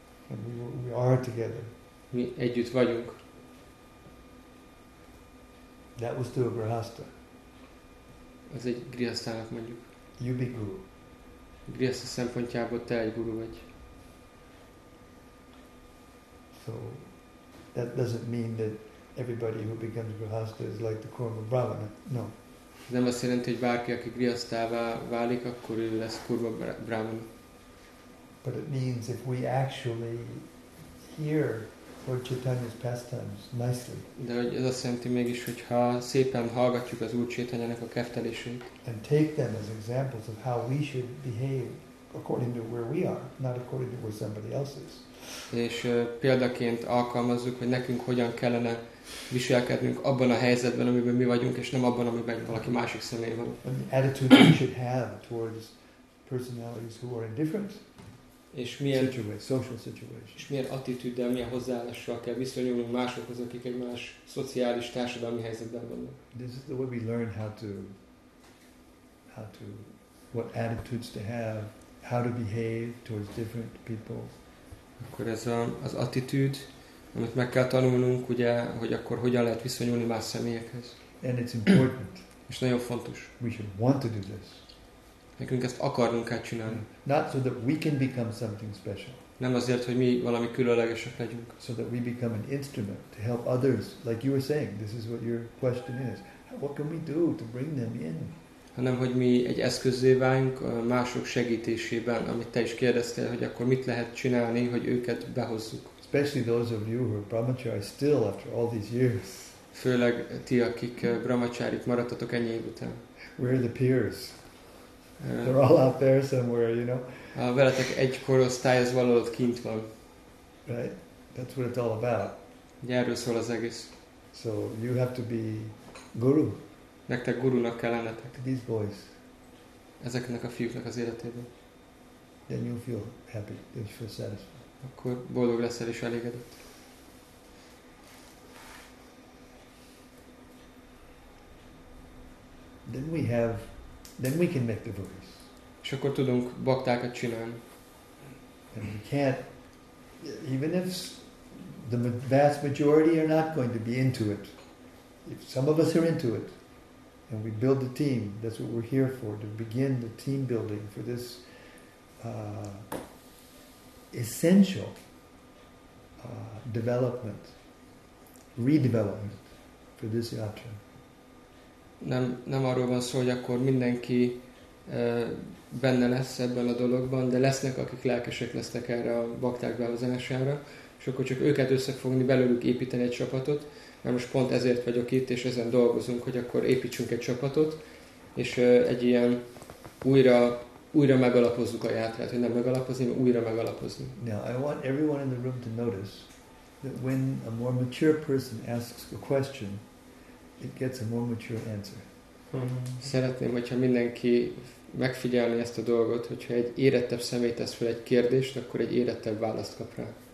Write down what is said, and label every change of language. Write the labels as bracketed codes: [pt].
[en] And we are together. [hu] Mi együtt vagyunk. [en] That was to a grihasta. [hu] Ez egy grihasztának mondjuk. [en] You be guru. [hu] Grihasta szempontjából te egy guru vagy. [en] So that doesn't mean that everybody who becomes grihasta is like the Kurma Brahmana. No. [hu] Ez nem azt jelenti, hogy bárki, aki grihasztává válik, akkor ő lesz Kurma Brahmana. [en] But it means if we actually hear Lord Chaitanya's pastimes nicely. [hu] De ez azt jelenti mégis, hogyha szépen hallgatjuk az Úr Chaitanyának a keftelését. [en] And take them as examples of how we should behave according to where we are, not according to where somebody else is. [hu] És példaként alkalmazzuk, hogy nekünk hogyan kellene viselkednünk abban a helyzetben, amiben mi vagyunk, és nem abban, amiben valaki másik személy van. [en] And the attitude we should have towards personalities who are in different. [hu] És milyen [en] social situation. [hu] És milyen attitűddel, milyen hozzáállással kell viszonyulnunk másokhoz, akik egy más szociális társadalmi helyzetben vannak. [en] This is the way we learn how to what attitudes to have, how to behave towards different people. [hu] Akkor ez az attitűd, amit meg kell tanulnunk, ugye, hogy akkor hogyan lehet viszonyulni más személyekhez. [en] And it's important. [hu] És nagyon fontos. [en] We should want to do this. [hu] Nekünk ezt akarnunk kell csinálni. [en] Not so that we can become something special. [hu] Nem azért, hogy mi valami különlegesek legyünk. [en] So that we become an instrument to help others, like you were saying. This is what your question is. What can we do to bring them in? [hu] Hanem hogy mi egy eszközzé váljunk mások segítésében, amit te is kérdeztél, hogy akkor mit lehet csinálni, hogy őket behozzuk. [en] Especially those of you who are brahmacharis still after all these years. [hu] Főleg ti, akik brahmacharik maradtatok ennyi év után. [en] Where are the peers? They're all out there somewhere, you know. [hu] A veletek egy korosztály az valahol ott kint van. [en] Right? That's what it's all about. [hu] Erről szól az egész. [en] So you have to be guru. [hu] Nektek gurunak kell lennetek. [en] These boys. [hu] Ezeknek a fiúknak az életében. [en] Then you feel happy. Then you feel satisfied. [hu] Akkor boldog leszel és elégedett. [en] Then we can make devotees. [hu] És akkor tudunk baktákat csinálni. [en] And we can't, even if the vast majority are not going to be into it, if some of us are into it, and we build the team, that's what we're here for, to begin the team building for this essential development, redevelopment for this yatra. [hu] Nem arról van szó, hogy akkor mindenki benne lesz ebben a dologban, de lesznek, akik lelkesek lesznek erre a bakták behozására, és akkor csak őket összefogni, belőlük építeni egy csapatot, mert most pont ezért vagyok itt, és ezen dolgozunk, hogy akkor építsünk egy csapatot, és egy ilyen újra megalapozzuk a játrát, hogy nem megalapozni, hanem újra megalapozni. [en] Now, I want everyone in the room to notice that when a more mature person asks a question, it gets a more mature answer. [hu] Szeretném, hogyha mindenki megfigyelni ezt a dolgot, hogyha egy érettebb személy tesz fel egy kérdést, akkor egy érettebb választ kap rá.